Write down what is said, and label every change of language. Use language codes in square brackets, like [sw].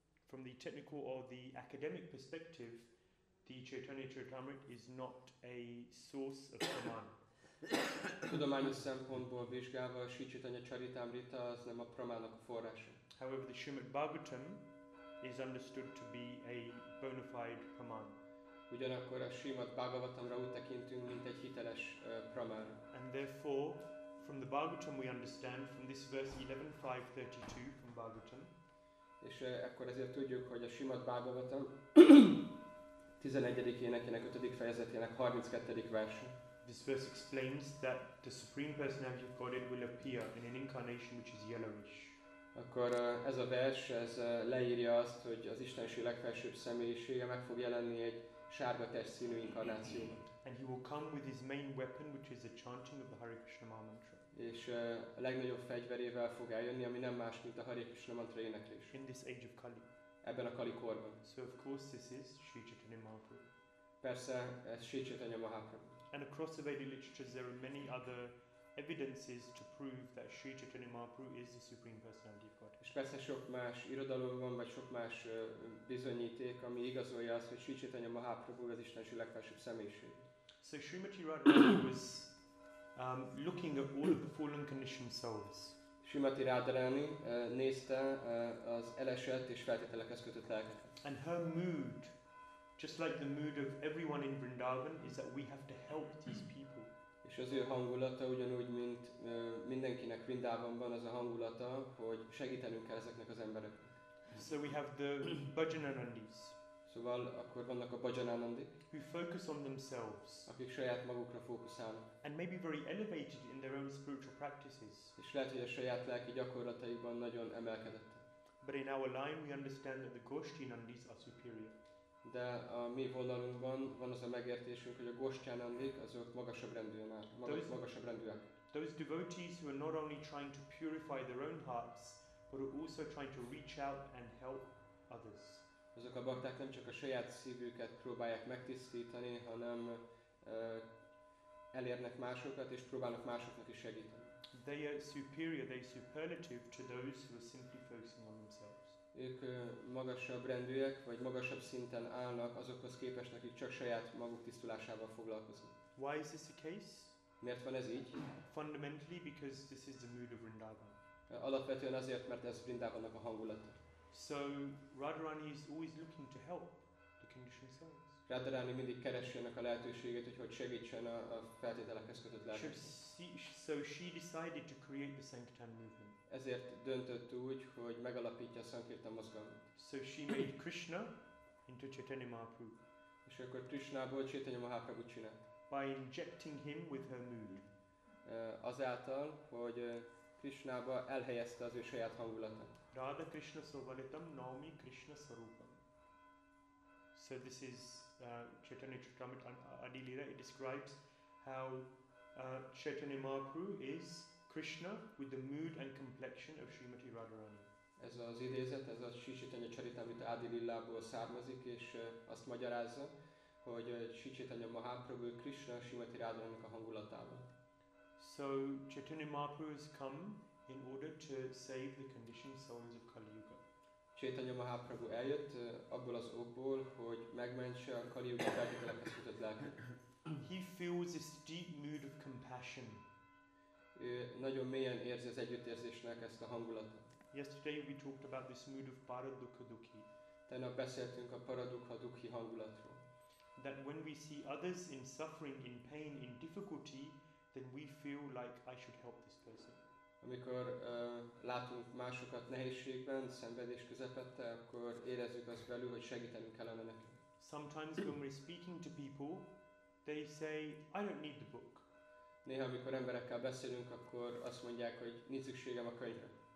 [en] From the technical or the academic perspective, the Chaitanya Charitamrita is not a source of praman. [hu] Tudományos szempontból vizsgálva a Sri Chaitanya Charitamrita az nem a pramának a forrása. [en] However, the Srimad Bhagavatam is understood to be a bona fide praman. [hu] Ugyanakkor a Srimad Bhagavatamra úgy tekintünk, mint egy hiteles praman. [en] And therefore, from the Bhagavatam we understand, from this verse 11.5.32 from Bhagavatam. [hu] És akkor ezért tudjuk, hogy a Srimad Bhagavatam 11. énekének 5. fejezetének 32. verse. [en] This verse explains that the Supreme Personality of Godhead will appear in an incarnation which is yellowish. [hu] Akkor ez a vers, ez leírja azt, hogy az Istenség legfelsőbb személyisége meg fog jelenni egy sárga test színű inkarnációban. [en] And he will come with his main weapon, which is the chanting of the Hare Krishna mantra. [hu] És a legnagyobb fegyverével fog eljönni, ami nem más, mint a Hare Krishna mantra éneklés. [en] In this age of Kali. [hu] Ebben a Kali korban. [en] So of course this is Sri Chaitanya Mahaprabhu. [hu] Persze, ez Sri Chaitanya Mahaprabhu. [en] And across the Vedic literature there are many other evidences to prove that Sri Chaitanya Mahaprabhu is the Supreme Personality of God. [hu] És persze sok más irodalomban, vagy sok más bizonyíték, ami igazolja azt, hogy Sri Chaitanya Mahaprabhu az Istenség legfelsőbb személyiség. [en] So Srimati Radharani was looking at all of the fallen conditioned souls. [hu] Srimati Radharani nézte az elesett és feltételekhez kötött lelkeket. [en] And her mood, just like the mood of everyone in Vrindavan, is that we have to help these people. [hu] És az ő hangulata ugyanúgy, mint mindenkinek Vrindavanban az a hangulata, hogy segítenünk kell ezeknek az embereknek. [en] So we have the Bhajanandis. [hu] Szóval akkor vannak a Bhajanandik. [en] Who focus on themselves. [hu] Akik saját magukra fókuszálnak. [en] And maybe very elevated in their own spiritual practices. [hu] És lehet, hogy a saját lelki gyakorlataikban nagyon emelkedettek. [en] But in our line we understand that the Goshtinandis are superior. [hu] De a mi vonalunkban van az a megértésünk, hogy a Goshtyanandik azok magasabb rendűek. [en] Those devotees who are not only trying to purify their own hearts, but are also trying to reach out and help others. [hu] Azok a bakták nem csak a saját szívüket próbálják megtisztítani, hanem elérnek másokat és próbálnak másoknak is segíteni. [en] They are superior, they are superlative to those who are simply focusing on themselves. [hu] Ők magasabb rendűek, vagy magasabb szinten állnak azokhoz képest, akik csak saját maguk tisztulásával foglalkoznak. [en] Why is this the case? [hu] Miért van ez így? [en] Fundamentally because this is the mood of Vrindavan. [hu] Alapvetően azért, mert ez Vrindavannak a hangulata. [en] So Radharani is always looking to help the conditioned souls. [hu] Radharani mindig keresi ennek a lehetőséget, hogy segítsen a feltételekhez kötött lelkeknek. [en] So she decided to create the Sankirtan movement. [hu] Ezért döntött úgy, hogy megalapítja a Sankirtan mozgalmat. [en] So she made Krishna into Chaitanya Mahaprabhu. [hu] És akkor Krishnából Chaitanya Mahaprabhu csinált. [en] By injecting him with her mood. [hu] Azáltal, hogy Krishnába elhelyezte az ő saját hangulatát. [sa] Radha Krishna Sovalitam Naomi Krishna Sarupam. [en] So this is Chaitanya Charitamrita Adilila. It describes how Chaitanya Mahaprabhu is Krishna with the mood and complexion of Srimati Radharani. [hu] Ez az idézet, ez a Sri Chaitanya Charitamrita Adilillából származik, és azt magyarázza, hogy Sri Chaitanya Mahaprabhu Krishna Srimati Radharani-nak a hangulatában. [en] So Chaitanya Mahaprabhu has come in order to save the conditioned souls of Kali Yuga. [hu] Chaitanya Mahaprabhu eljött abból az okból, hogy megmentse a Kali Yuga feltételekhez. [en] He feels this deep mood of compassion. [hu] Ő nagyon mélyen érzi az együttérzésnek ezt a hangulatot. [en] Yesterday we talked about this mood of paradukha-dukhi. [hu] Tegnap beszéltünk a paradukha-dukhi hangulatról. [en] That when we see others in suffering, in pain, in difficulty, then we feel like I should help this person. [hu] Amikor látunk másokat nehézségben, szenvedés közepette, akkor érezzük azt belül, hogy segítenünk kellene neki. [en] Sometimes when we're speaking to people, they say, I don't need the book. [hu] Néha, amikor emberekkel beszélünk, akkor azt mondják, hogy nincs szükségem a könyvre.